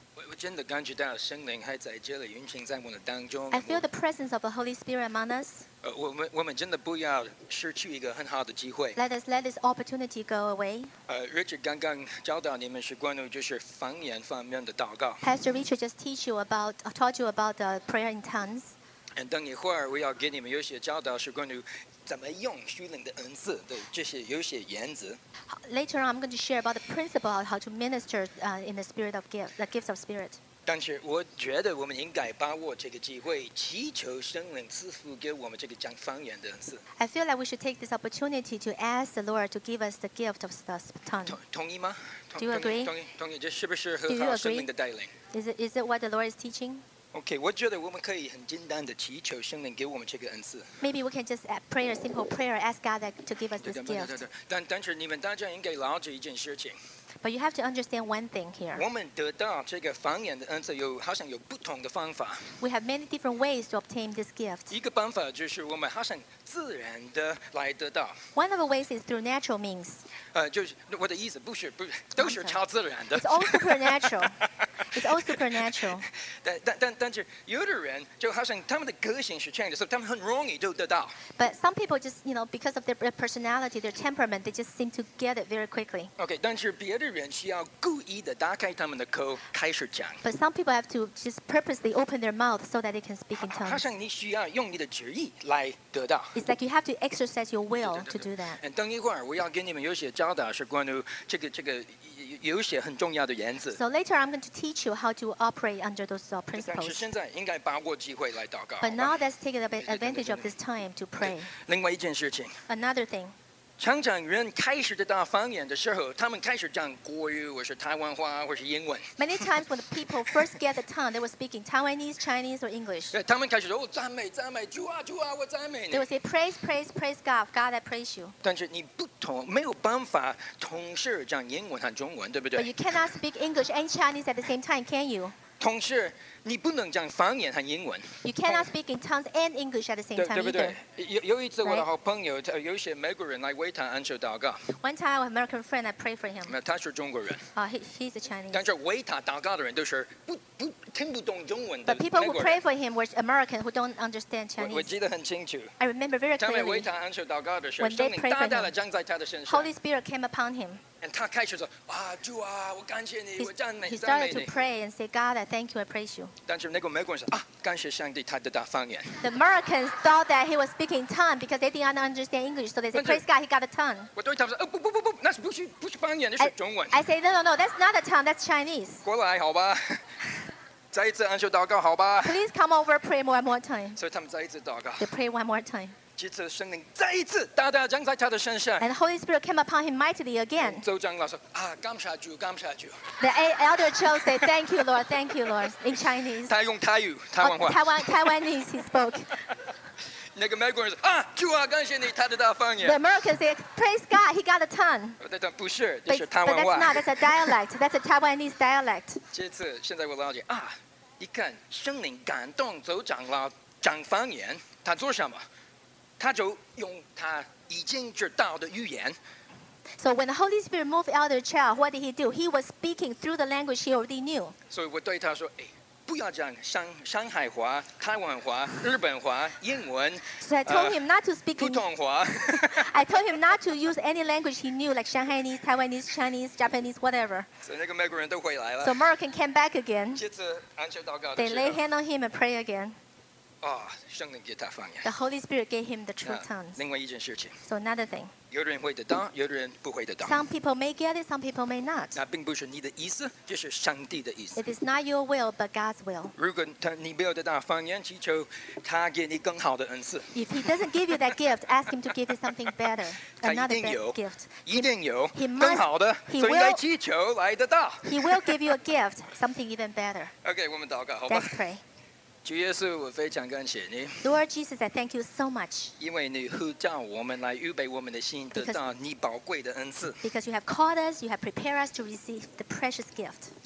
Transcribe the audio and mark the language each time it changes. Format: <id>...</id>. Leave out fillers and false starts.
<zh>我真的感觉到圣灵还在这里运行在我们当中。</zh> <en>I feel the presence of the Holy Spirit among us.</en> <zh>我们真的不要失去一个很好的机会。</zh> <en>Let us let this opportunity go away.</en> <zh>Richard 刚刚教导你们是关于就是方言方面的祷告。</zh> <en>Pastor Richard just taught you about the prayer in tongues.</en> <zh>And 等一会儿我要给你们有些教导是关于怎么用属灵的恩赐的这些有些原则。</zh> <en>Later on, I'm going to share about the principle of how to minister in the spirit of gift, the gifts of spirit.</en> <zh>但是我觉得我们应该把握这个机会，祈求圣灵赐福给我们这个讲方言的恩赐。</zh> <en>I feel like we should take this opportunity to ask the Lord to give us the gift of the tongue.</en> <zh>同意吗？</zh> <en>Do you agree?</en> <zh>同意，这是不是很好圣灵的带领？</zh> <en>Is it what the Lord is teaching?</en> <zh>Okay, 我觉得我们可以很简单的祈求圣灵给我们这个恩赐。</zh> <en>Maybe we can just pray a simple prayer, ask God to give us this gift.</en> <zh>但是你们大家应该了解一件事情。</zh> <en>But you have to understand one thing here.</en> <zh>我们得到这个方言的恩赐有好像有不同的方法。</zh> <en>We have many different ways to obtain this gift.</en> <zh>一个办法就是我们好像自然的来得到。</zh> <en>One of the ways is through natural means.</en> <zh>就是我的意思不是超自然的。</zh> <en>It's all supernatural. It's all supernatural.</en> <zh>但是有的人就好像他们的个性是这样的，所以他们很容易就得到。</zh> <en>But some people just, you know, because of their personality, their temperament, they just seem to get it very quickly.</en> <zh>Okay, 但是别的人需要故意的打开他们的口开始讲。</zh> <en>But some people have to just purposely open their mouth so that they can speak in tongues.</en> <zh>好像你需要用你的旨意来得到。</zh> <en>It's like you have to exercise your will to do that.</en> <zh>等一会儿我要给你们有些教导是关于这个。有一些很重要的原则。</zh> <en>So later, I'm going to teach you how to operate under those principles.</en> <zh>但是现在应该把握机会来祷告。</zh> <en>But now, let's take advantage of this time to pray.</en> <zh>另外一件事情。</zh> <en>Another thing.</en> <zh>常常人开始得到方言的时候，他们开始讲国语，或是台湾话，或是英文。</zh> <en>Many times when the people first get the tongue, they were speaking Taiwanese, Chinese, or English.</en> <zh>他们开始说赞美赞美主啊主啊我赞美你。</zh> <en>They would say praise God, God I praise you.</en> <zh>但是你不同，没有办法同时讲英文和中文，对不对？</zh> <en>But you cannot speak English and Chinese at the same time, can you?</en> <zh>同时你不能讲方言和英文。</zh> <en>You cannot speak in tongues and English at the same time either.</en> <zh>有一次我的好朋友，他有些美国人来为他按手祷告。</zh> <en>One time, an American friend, I prayed for him.</en> <zh>他是中国人。</zh> <en>He's a Chinese.</en> <zh>但是为他祷告的人都是不听不懂中文的。</zh> <en>But people who pray for him were American who don't understand Chinese.</en> <zh>我记得很清楚。</zh> <en>I remember very clearly.</en> <zh>他们为他按手祷告的时候，圣灵大大的降在他的身上。</zh> <en>Holy Spirit came upon him.</en> <zh>And 他开始说啊，主啊，我感谢你，我赞美赞美你。</zh> <en>He started to pray and say, God, I thank you, I praise you.</en> <zh>但是那个美国人说啊，感谢上帝，他得到方言。</zh> <en>The Americans thought that he was speaking tongue because they did not understand English, so they said, praise God, he got a tongue.</en> <zh>我对他们说，不，那是不是方言，那是中文。</zh> <en>I say, no, that's not a tongue, that's Chinese.</en> <zh>过来，好吧。再一次按手祷告，好吧。</zh> <en>Please come over, pray one more time.</en> <zh>所以他们再一次祷告。</zh> <en>They pray one more time.</en> <zh>这次圣灵再一次大大降在他的身上。</zh> <en>And the Holy Spirit came upon him mightily again.</en> <zh>周长老说啊，感谢主，感谢主。</zh> <en>The elder Joe said, thank you, Lord, in Chinese.</en> <zh>他用台语，台湾话。</zh> <en>Taiwanese he spoke.</en> <zh>那个美国人说啊，主啊，感谢你，他得到方言。</zh> <en>The American said, praise God, he got a tongue.</en> <zh>但不是，这是台湾话。</zh> <en>But that's not, that's a dialect. That's a Taiwanese dialect.</en> <zh>这次现在我了解啊，你看圣灵感动周长老讲方言，他做什么？他就用他已经知道的语言。</zh> <en>So when the Holy Spirit moved Elder Chow, what did he do? He was speaking through the language he already knew.</en> <zh>所以我对他说，哎，不要讲上海话、台湾话、日本话、英文。</zh> <en>So I told him not to speak</en> <zh>普通话。</zh> <en>I told him not to use any language he knew, like Shanghainese, Taiwanese, Chinese, Japanese, whatever.</en> <zh>所以那个美国人都回来了。</zh> <en>So American came back again.</en> <zh>接着按手祷告。</zh> <en>They lay hand on him and pray again.</en> <zh>圣灵给他方言。</zh> <en>The Holy Spirit gave him the true tongues.</en> <zh>另外一件事情。</zh> <en>So another thing.</en> <zh>有的人会得到，有的人不会得到。</zh> <en>Some people may get it, some people may not.</en> <zh>那并不是你的意思，就是上帝的意思。</zh> <en>It is not your will, but God's will.</en> <zh>如果他你没有得到方言，祈求他给你更好的恩赐。</zh> <en>If he doesn't give you that gift, ask him to give you something better, another gift.</en> <zh>一定有，一定有更好的，所以来祈求来得到。</zh> <en>He will give you a gift, something even better.</en> <zh>Okay, 我们祷告好吧。</zh> <en>Let's pray.</en> <zh>主耶稣，我非常感谢你。</zh> <en>Lord Jesus, I thank you so much.</en> <zh>因为你呼召我们来预备我们的心，得到你宝贵的恩赐。</zh> <en>Because you have called us, you have prepared us to receive the precious gift.</en>